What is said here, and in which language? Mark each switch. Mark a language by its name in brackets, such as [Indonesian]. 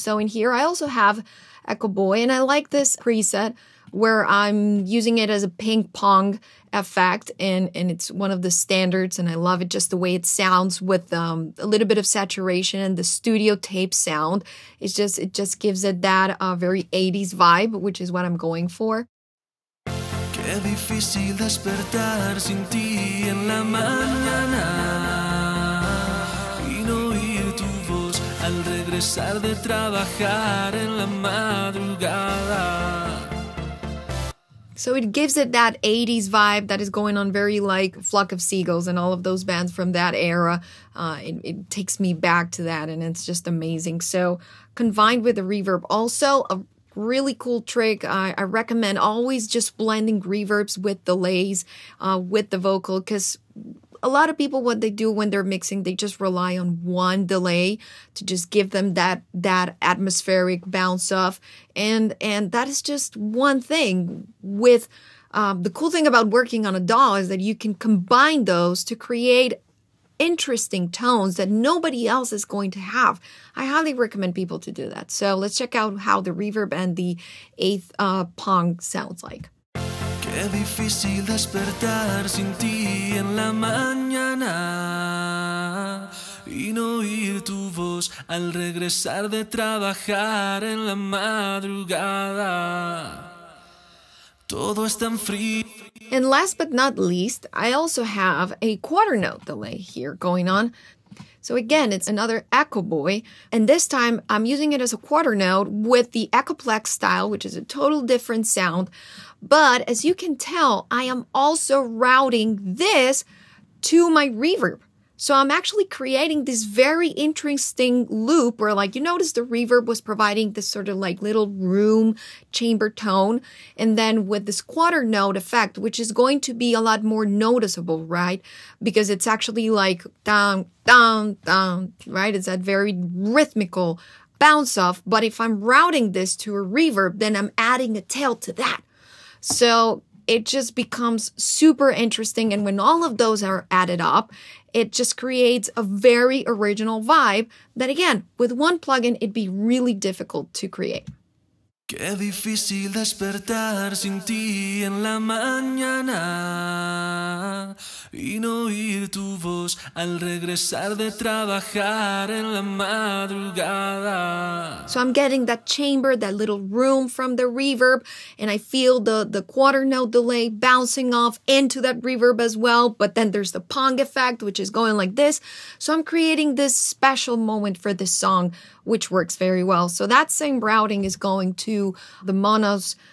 [English] So in here, I also have Echo Boy, and I like this preset where I'm using it as a ping pong effect, and it's one of the standards, and I love it just the way it sounds with a little bit of saturation and the studio tape sound. It just gives it that very 80s vibe, which is what I'm going for. [Spanish] Qué difícil despertar sin ti en la mañana y no oír tu voz al regresar de trabajar en la madrugada. [English] So it gives it that 80s vibe that is going on very like Flock of Seagulls and all of those bands from that era. It takes me back to that, and it's just amazing. So combined with the reverb, also a really cool trick. I recommend always just blending reverbs with delays with the vocal, because a lot of people, what they do when they're mixing, they just rely on one delay to just give them that atmospheric bounce off. And that is just one thing. With the cool thing about working on a DAW is that you can combine those to create interesting tones that nobody else is going to have. I highly recommend people to do that. So let's check out how the reverb and the eighth pong sounds like. [Spanish] Qué difícil despertar sin ti en la mañana y no oír tu voz al regresar de trabajar en la madrugada. Todo es tan frío. [English] And last but not least, I also have a quarter note delay here going on. So again, it's another Echo Boy, and this time I'm using it as a quarter note with the Echoplex style, which is a total different sound. But as you can tell, I am also routing this to my reverb. So I'm actually creating this very interesting loop where, like, you notice the reverb was providing this sort of like little room chamber tone. And then with this quarter note effect, which is going to be a lot more noticeable, right? Because it's actually like down, down, down, right? It's that very rhythmical bounce off. But if I'm routing this to a reverb, then I'm adding a tail to that. So it just becomes super interesting. And when all of those are added up, it just creates a very original vibe that, again, with one plugin, it'd be really difficult to create. [Spanish] Qué difícil despertar sin ti en la mañana y no oír tu voz al regresar de trabajar en la madrugada. [English] So I'm getting that chamber, that little room from the reverb, and I feel the quarter note delay bouncing off into that reverb as well. But then there's the pong effect, which is going like this. So I'm creating this special moment for this song, which works very well. So that same routing is going to the monos